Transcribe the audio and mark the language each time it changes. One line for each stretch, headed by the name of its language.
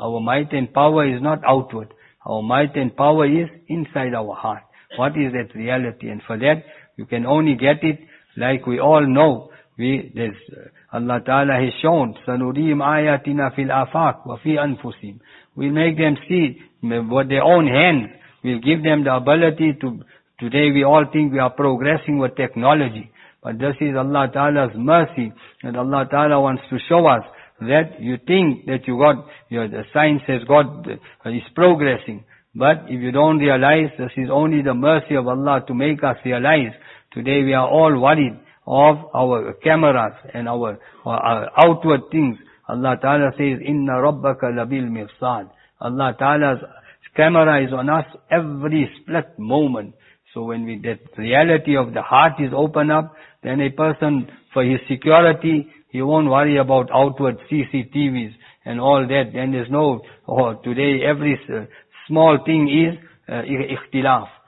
English: Our might and power is not outward. Our might and power is inside our heart. What is that reality? And for that, you can only get it, like we all know. Allah Ta'ala has shown,
Arabic: سَنُرِيهِمْ آيَاتِنَا فِي الْآفَاقِ وَفِي أَنفُسِهِمْ.
English: We'll make them see with their own hands. We'll give them the ability to, today we all think we are progressing with technology. But this is Allah Ta'ala's mercy, and Allah Ta'ala wants to show us that you think that you got, the science has got, is progressing. But if you don't realize, this is only the mercy of Allah to make us realize. Today we are all worried of our cameras and our outward things. Allah Ta'ala says,
Arabic: إِنَّ رَبَّكَ لَبِيلْ مِرْصَادِ.
English: Allah Ta'ala's camera is on us every split moment. So when that reality of the heart is opened up, then a person, for his security, he won't worry about outward CCTVs and all that. Then there's no, today every small thing is ikhtilaf.